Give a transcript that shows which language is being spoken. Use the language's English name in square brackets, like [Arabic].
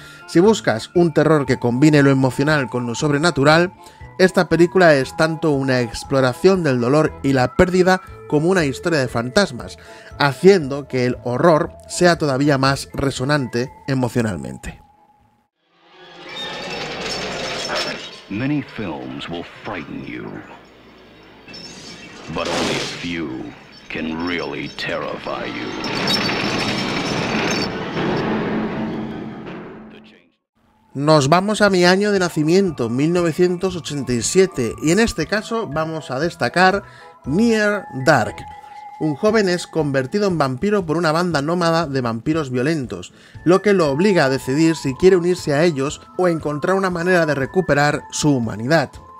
[Spanish] Si buscas un terror que combine lo emocional con lo sobrenatural, esta película es tanto una exploración del dolor y la pérdida como una historia de fantasmas, haciendo que el horror sea todavía más resonante emocionalmente. [English] Many films will frighten you, but only a few can really terrify you. [Spanish] Nos vamos a mi año de nacimiento, 1987, y en este caso vamos a destacar Near Dark. Un joven es convertido en vampiro por una banda nómada de vampiros violentos, lo que lo obliga a decidir si quiere unirse a ellos o encontrar una manera de recuperar su humanidad.